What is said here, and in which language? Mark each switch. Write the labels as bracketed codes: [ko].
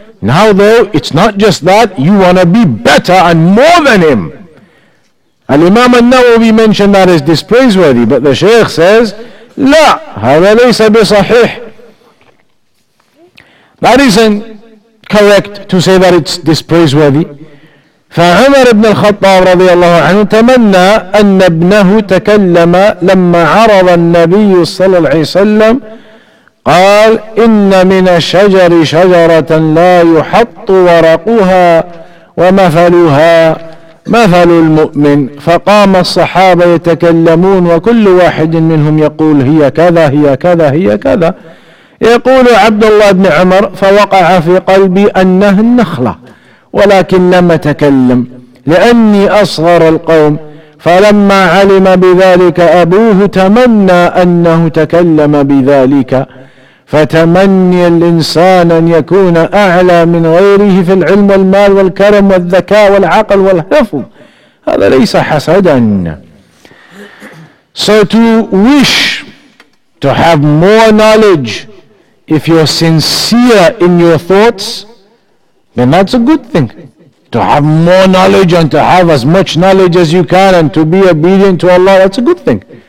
[en] Now though, it's not just that, you want to be better and more than him. Al-Imam al-Nawawi mentioned that as dispraiseworthy, but the Shaykh says, [ar] La, هذا ليس بصحيح. [en] That isn't correct to say that it's dispraiseworthy. [ar] فعمر بن الخطاب رضي الله عنه تمنى أن ابنه تكلم لما عرض النبي صلى الله عليه وسلم قال إن من الشجر شجرة لا يحط ورقها ومثلها مثل المؤمن فقام الصحابة يتكلمون وكل واحد منهم يقول هي كذا هي كذا هي كذا يقول عبد الله بن عمر فوقع في قلبي أنها النخلة ولكن لم أتكلم لأني أصغر القوم فلما علم بذلك أبوه تمنى أنه تكلم بذلك فتمني الإنسان أن يكون أعلى من غيره في العلم والمال والكرم والذكاء والعقل والحفظ هذا ليس حسدا. [en] So to wish to have more knowledge, if you're sincere in your thoughts, then that's a good thing. To have more knowledge and to have as much knowledge as you can and to be obedient to Allah, that's a good thing.